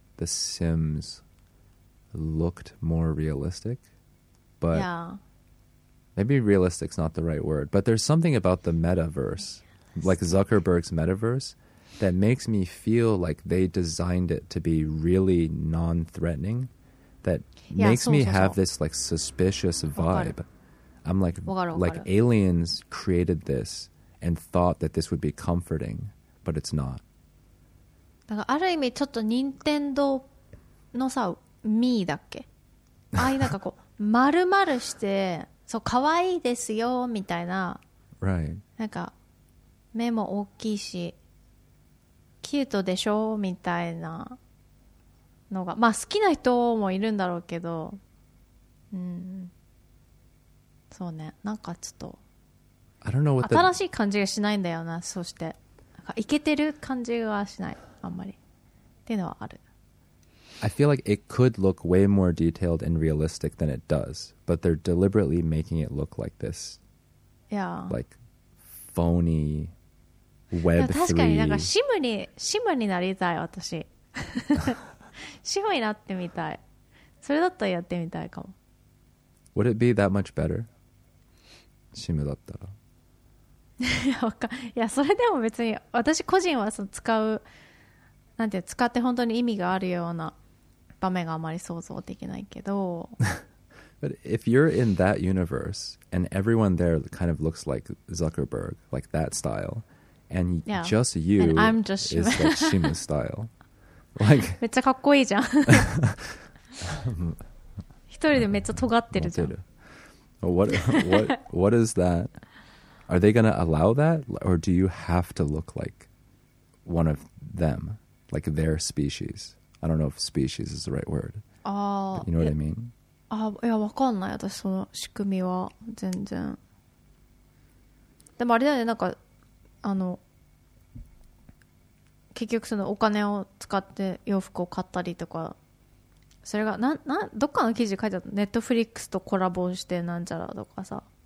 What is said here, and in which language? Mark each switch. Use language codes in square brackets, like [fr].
[en] The Sims looked more realistic, but maybe realistic's not the right word, but there's something about the metaverse, like Zuckerberg's metaverse, that makes me feel like they designed it to be really non-threatening, that makes me have this like suspicious vibe. I'm like, aliens created this and thought that this would be comforting, but it's not. [ja] なんかある意味ちょっと任天堂のさミーだっけ、ああいうなんかこう丸々して、そう可愛いですよみたいな、 [en] right. [ja] なんか目も大きいしキュートでしょみたいなのが、まあ好きな人もいるんだろうけど、うん、そうね、なんかちょっと [en] I don't know what [ja] 新しい感じがしないんだよな、そしてなんかイケてる感じがしない。 [en] I feel like it could look way more detailed and realistic than it does, but they're deliberately making it look like this. Yeah. Like phony web 3. [ja] 確かになんかシムに、シムになりたい私。シムになってみたい。それだったらやってみたいかも。 [en] Would it be that much better? [ja] シムだったら。いや、それでも別に私個人はその使う、なんていう、使って本当に意味があるような場面があまり想像できないけど。 [en] But if you're in that universe and everyone there kind of looks like Zuckerberg, like that style, and just you and I'm just is like Shima style. Like, [ja] めっちゃかっこいいじゃん。一人でめっちゃ尖ってるじゃん。 [en] What is that? Are they going to allow that? Or do you have to look like one of them? Like their species. I don't know if species is the right word. You know what I mean? [ja] いや、わかんない。私その仕組みは全然。でもあれだよね、なんか、あの、結局そのお金を使って洋服を買ったりとか、それが、どっかの記事書いてあった Netflix とコラボしてなんじゃらとかさ。